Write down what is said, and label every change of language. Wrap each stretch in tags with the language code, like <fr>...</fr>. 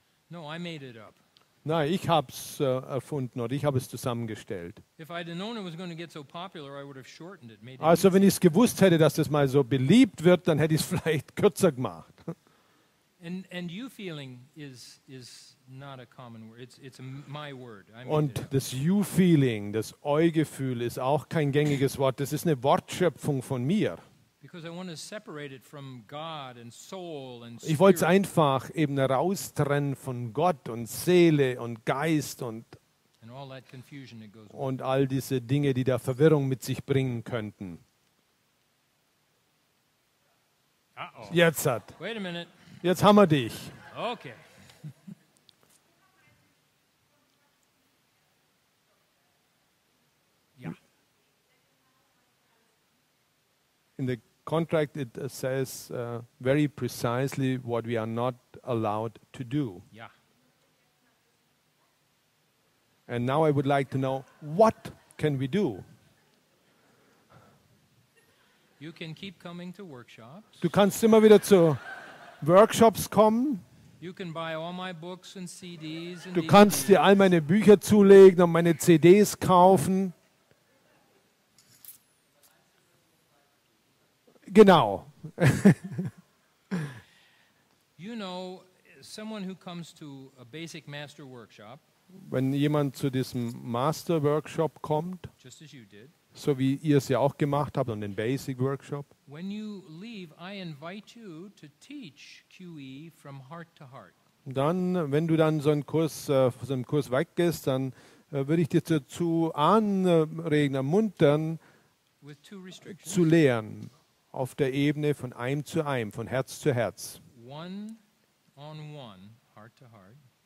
<en>No, I made it up.</en> <de>Nein, ich habe es erfunden oder ich habe es zusammengestellt. Also wenn ich es gewusst hätte, dass das mal so beliebt wird, dann hätte ich es vielleicht kürzer gemacht.</de> <en>And you feeling is not a common word. It's my word.</en> <de>Und das you feeling, das Eugefühl, ist auch kein gängiges Wort. Das ist eine Wortschöpfung von mir.</de> <en>Because I want to separate it from God and soul and</en> <de>spirit. Ich wollte es einfach eben raustrennen von Gott und Seele und Geist</de> <en>and all that confusion that goes</en> <de>und all diese Dinge, die da Verwirrung mit sich bringen könnten. Uh-oh. Jetzt hat.</de> <en>Wait a minute.</en> <de>Jetzt haben wir dich. Okay.</de> <en>In the contract, it says very precisely what we are not allowed to do. Yeah. And now I would like to know, what can we do? You can keep coming to workshops.</en> <de>Du kannst immer wieder zu Workshops kommen.</de> <en>You can buy all my books and CDs.</en> <de>Du kannst dir all meine Bücher zulegen und meine CDs kaufen. Genau.</de> <en>You know, someone who comes to a basic master workshop,</en> <de>wenn jemand zu diesem Master Workshop kommt,</de> <en>just as you did,</en> <de>so wie ihr es ja auch gemacht habt und den Basic Workshop,</de> <en>when you leave, I invite you to teach QE from heart to heart.</en> <de>Dann, wenn du dann so einen Kurs, von so einem Kurs weggehst, dann würde ich dich dazu anregen, ermuntern,</de> <en>with two restrictions,</en> <de>zu lehren. Auf der Ebene von einem zu einem, von Herz zu Herz.</de> <en>One on one, heart to heart.</en>